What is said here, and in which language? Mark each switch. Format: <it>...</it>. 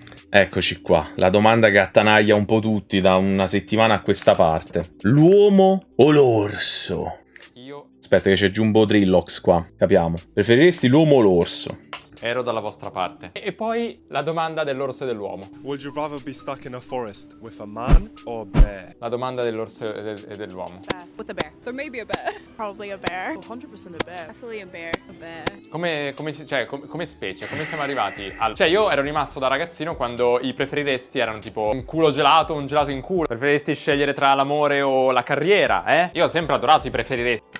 <it>Eccoci qua, la domanda che attanaglia un po' tutti da una settimana a questa parte. L'uomo o l'orso? Aspetta che c'è Jumbo Drillox qua, capiamo. Preferiresti l'uomo o l'orso? Ero dalla vostra parte. E poi la domanda dell'orso e dell'uomo.</it> <en>Would you rather be stuck in a forest with a man or a bear?</en> <it>La domanda dell'orso e dell'uomo.</it> <en>With a bear. So maybe a bear. Probably a bear. 100% a bear. Definitely a bear. A bear.</en> <it>Come specie? Come siamo arrivati al... Cioè, io ero rimasto da ragazzino quando i preferiresti erano tipo un culo gelato, un gelato in culo. Preferiresti scegliere tra l'amore o la carriera, eh? Io ho sempre adorato i preferiresti.</it>